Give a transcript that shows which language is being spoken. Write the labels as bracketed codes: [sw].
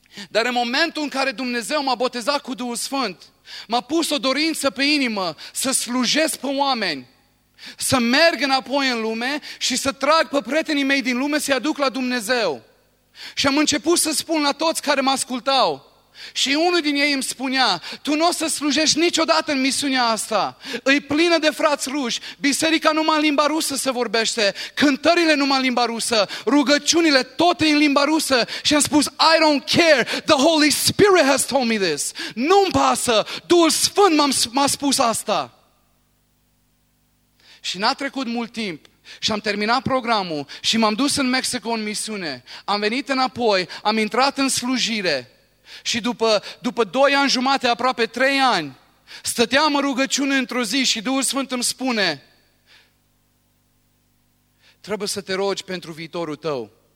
[ro] Dar în momentul în care Dumnezeu m-a botezat cu Duhul Sfânt, m-a pus o dorință pe inimă să slujesc pe oameni, să merg înapoi în lume și să trag pe prietenii mei din lume să-i aduc la Dumnezeu. Și am început să spun la toți care mă ascultau, Și unul din ei îmi spunea, tu nu o să slujești niciodată în misiunea asta. Îi plină de frați ruși, biserica numai în limba rusă se vorbește, cântările numai în limba rusă, rugăciunile tot în limba rusă. Și am spus, [en] I don't care, the Holy Spirit has told me this. [ro] Nu-mi pasă, Duhul Sfânt m-a spus asta. Și n-a trecut mult timp. Și am terminat programul și m-am dus în Mexico în misiune. Am venit înapoi, am intrat în slujire. Și după 2 ani jumate, aproape 3 ani, stăteam în rugăciune într-o zi și Duhul Sfânt îmi spune, trebuie să te rogi pentru viitorul tău.